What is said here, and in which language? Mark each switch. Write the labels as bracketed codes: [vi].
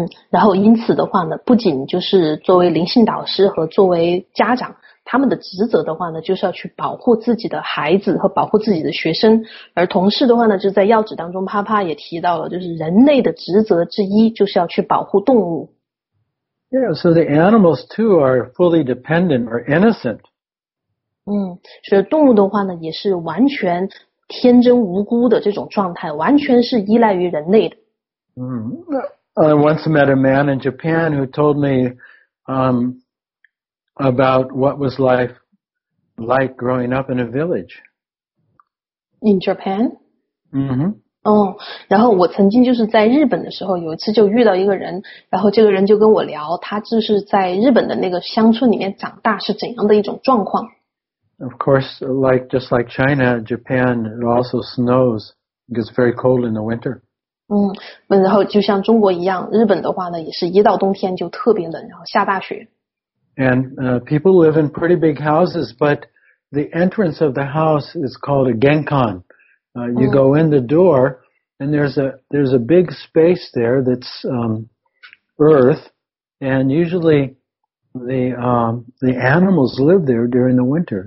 [zh] 然后因此的话呢，不仅就是作为灵性导师和作为家长，他们的职责的话呢，就是要去保护自己的孩子和保护自己的学生。而同时的话呢，就在要旨当中，啪啪也提到了，就是人类的职责之一就是要去保护动物。 [en] Yeah, so the animals too are fully dependent or innocent. [zh] 所以动物的话呢，也是完全天真无辜的这种状态，完全是依赖于人类的。 [en] I once met a man in Japan who told me about what was life like growing up in a village. In Japan? Mm-hmm. [zh] 然后我曾经就是在日本的时候有一次就遇到一个人，然后这个人就跟我聊他就是在日本的那个乡村里面长大是怎样的一种状况。 [en] Of course, just like China, Japan, it also snows. It gets very cold in the winter. [zh] 然后就像中国一样，日本的话呢，也是一到冬天就特别冷，然后下大雪。 [en] And people live in pretty big houses, but the entrance of the house is called a genkan. You go in the door, and there's a big space there that's earth, and usually the animals live there during the winter.